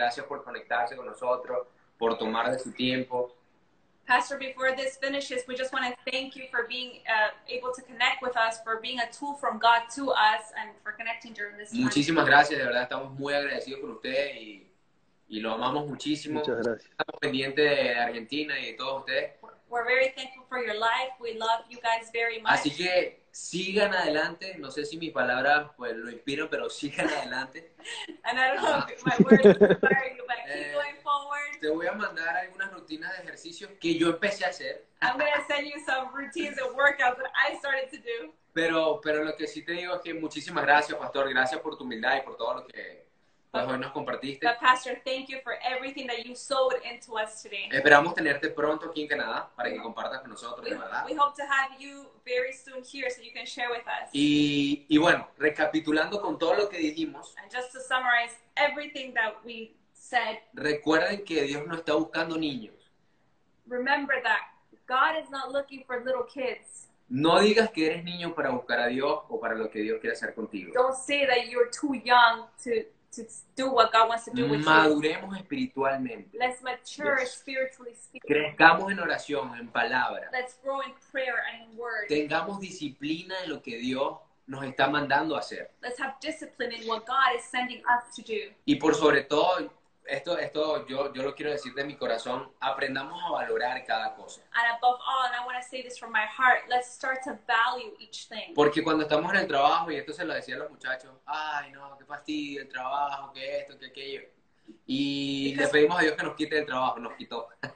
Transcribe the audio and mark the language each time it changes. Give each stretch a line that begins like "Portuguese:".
Spanish: Gracias por conectarse con nosotros, por tomar de su tiempo.
English: Pastor, before this finishes, we just want to thank you for being able to connect with us, for being a tool from God to us, and for connecting during this time.
Spanish: Muchísimas gracias, de verdad, estamos muy agradecidos con ustedes y lo amamos muchísimo. Muchas gracias. Estamos pendientes de Argentina y de todos ustedes.
English: We're very thankful for your life. We love you guys very much.
Spanish: Así que sigan adelante. No sé si mis palabras pues lo inspiran, pero sigan adelante.
English: And I don't know if my words inspire you, but keep going forward.
Spanish: Te voy a mandar algunas rutinas de ejercicios que yo empecé a hacer.
English: I'm going to send you some routines and workouts that I started to do.
Spanish: Pero lo que sí te digo es que muchísimas gracias, Pastor. Gracias por tu humildad y por todo lo que hoy nos compartiste.
English: But Pastor, thank you for everything that you sowed into us today.
Spanish: Esperamos tenerte pronto aquí en Canadá para que compartas con nosotros, de verdad.
English: We hope to have you very soon here so you can share with us.
Spanish: Y bueno, recapitulando con todo lo que dijimos.
English: And just to summarize everything that we said.
Spanish: Recuerden que Dios no está buscando niños.
English: Remember that God is not looking for little kids.
Spanish: No digas que eres niño para buscar a Dios o para lo que Dios quiere hacer contigo.
English: Don't say that you're too young to do what God wants to do with you.
Spanish: Maduremos espiritualmente.
English: Let's mature spiritually.
Spanish: Crezcamos en oración, en palabra.
English: Let's grow in prayer and in word.
Spanish: Tengamos disciplina en lo que Dios nos está mandando a hacer.
English: Let's have discipline in what God is sending us to do.
Spanish: Y por sobre todo, esto yo lo quiero decir de mi corazón, aprendamos a valorar cada cosa.
English: And above all, and I want to say this from my heart, let's start to value each thing.
Spanish: Porque cuando estamos en el trabajo, y esto se lo decía a los muchachos, ay no, qué fastidio el trabajo, qué esto, qué aquello. Y le pedimos a Dios que nos quite el trabajo, nos quitó.